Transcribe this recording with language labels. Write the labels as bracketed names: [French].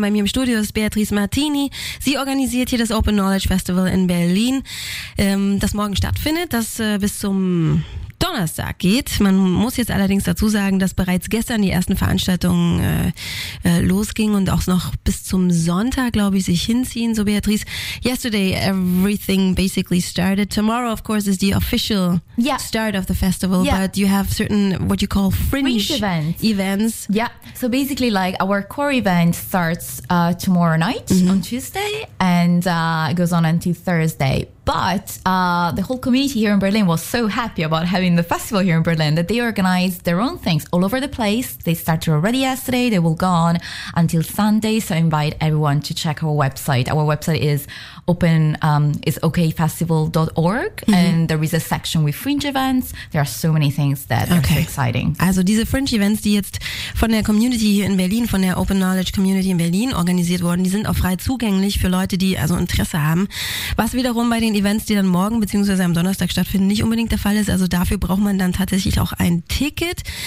[German] Bei mir im Studio ist Beatrice Martini. Sie organisiert hier das Open Knowledge Festival in Berlin, das morgen stattfindet, das bis zum Donnerstag geht. Man muss jetzt allerdings dazu sagen, dass bereits gestern die ersten Veranstaltungen losgingen und auch noch bis zum Sonntag, glaube ich, sich hinziehen. [English] So Beatrice, yesterday everything basically started. Tomorrow, of course, is the official start of the festival, but you have certain, what you call fringe events. Yeah, so basically like our core event starts tomorrow night mm-hmm. on Tuesday and goes on until Thursday. But the whole community here in Berlin was so happy about having the festival here in Berlin that they organized their own things all over the place. They started already yesterday. They will go on until Sunday. So I invite everyone to check our website. Our website is open, is okfestival.org. Mm-hmm. And there is a section with fringe events. There are so many things that are so exciting. [German] Also diese fringe events, die jetzt von der Community hier in Berlin, von der Open Knowledge Community in Berlin organisiert wurden, die sind auch frei zugänglich für Leute, die also Interesse haben. Was wiederum bei den Events, die dann morgen bzw. am Donnerstag stattfinden, nicht unbedingt der Fall ist. Also dafür braucht man dann tatsächlich auch ein Ticket.